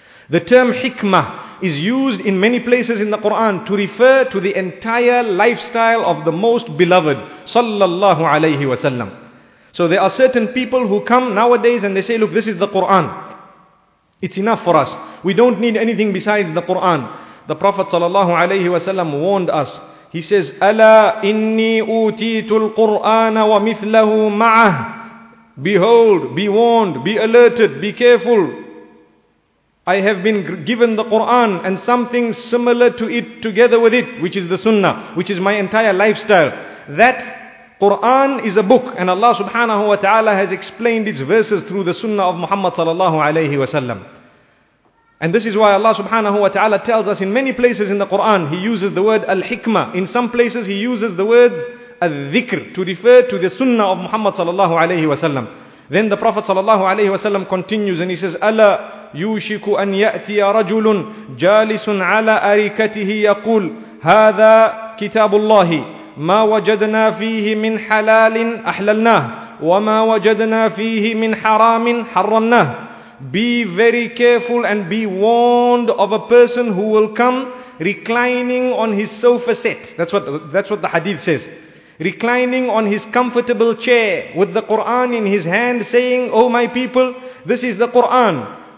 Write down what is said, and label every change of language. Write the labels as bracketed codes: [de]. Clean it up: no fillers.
[en] The term hikmah is used in many places in the Quran to refer to the entire lifestyle of the most beloved sallallahu alayhi wa sallam. So there are certain people who come nowadays and they say, look, this is the Quran. It's enough for us. We don't need anything besides the Quran. The Prophet sallallahu alayhi wa sallam warned us. He says, [ar] أَلَا إِنِّي أُوتِيتُ الْقُرْآنَ وَمِثْلَهُ مَعَهُ. [en] Behold, be warned, be alerted, be careful. I have been given the Quran and something similar to it together with it, which is the Sunnah, which is my entire lifestyle. That Quran is a book, and Allah subhanahu wa ta'ala has explained its verses through the Sunnah of Muhammad sallallahu alayhi wa sallam. And this is why Allah subhanahu wa ta'ala tells us in many places in the Quran, He uses the word al-hikmah. In some places He uses the words al-dhikr to refer to the Sunnah of Muhammad sallallahu alayhi wa sallam. Then the Prophet sallallahu alayhi wa sallam continues and he says, [ar] أَلَا يُوشِكُ أَنْ يَأْتِيَ رَجُلٌ جَالِسٌ عَلَىٰ أَرِكَتِهِ يَقُولْ هَذَا كِتَابُ اللَّهِ مَا وَجَدْنَا فِيهِ مِنْ حَلَالٍ أَحْلَلْنَاهُ وَمَا وَجَدْنَا فِيهِ مِنْ حَرَامٍ حَرَّمْنَاهُ. [en] Be very careful and be warned of a person who will come reclining on his sofa set. That's what the hadith says. Reclining on his comfortable chair with the Quran in his hand saying, oh my people, this is the Quran.